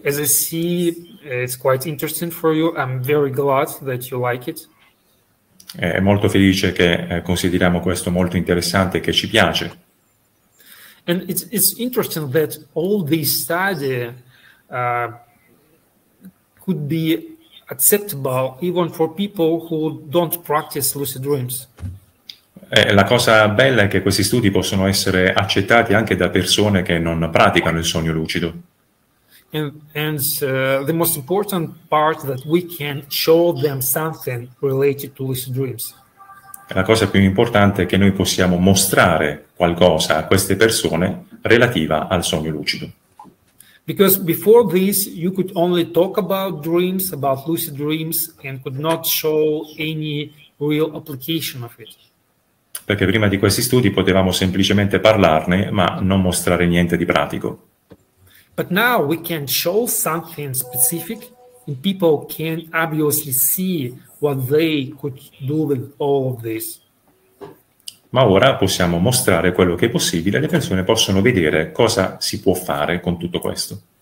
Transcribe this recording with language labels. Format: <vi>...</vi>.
<en>As I see, it's quite interesting for you. I'm very glad that you like it.</en> <it>È molto felice che consideriamo questo molto interessante e che ci piace.</it> <en>And it's interesting that all these studies could be acceptable even for people who don't practice lucid dreams.</en> <it>La cosa bella è che questi studi possono essere accettati anche da persone che non praticano il sogno lucido.</it> <en>And the most important part that we can show them something related to lucid dreams.</en> <it>La cosa più importante è che noi possiamo mostrare qualcosa a queste persone relativa al sogno lucido.</it> <en>Because before this you could only talk about dreams, about lucid dreams, and could not show any real application of it.</en> <it>Perché prima di questi studi potevamo semplicemente parlarne, ma non mostrare niente di pratico.</it> <en>But now we can show something specific and people can obviously see what they could do with all of this.</en> <it>Ma ora possiamo mostrare quello che è possibile, le persone possono vedere cosa si può fare con tutto questo.</it>